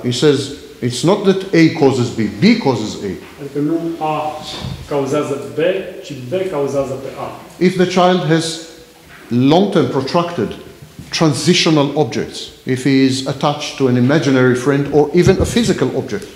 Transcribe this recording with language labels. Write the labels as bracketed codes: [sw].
[en] He says, it's not that A causes B, B causes A. [ro] Adică nu A cauzează B, ci B cauzează pe A. [en] If the child has long-term protracted transitional objects, if he is attached to an imaginary friend or even a physical object.